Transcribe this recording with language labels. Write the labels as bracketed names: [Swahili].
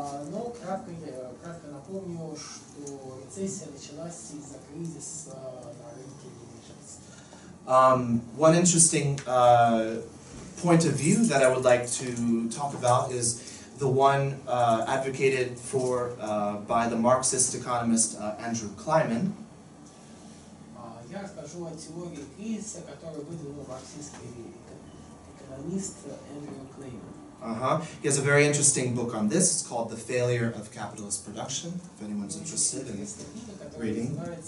[Russian] Но кратко напомню, что рецессия началась из-за кризиса на рынке недвижимости. [English] One interesting point of view that I would like to talk about is the one advocated for by the Marxist economist Andrew Clyman. [Russian] Я расскажу о теории кризиса, которую выдвинул марксистский экономист Эндрю Клейман. Uh-huh. [English] He has a very interesting book on this. It's called The Failure of Capitalist Production, if anyone's interested in reading.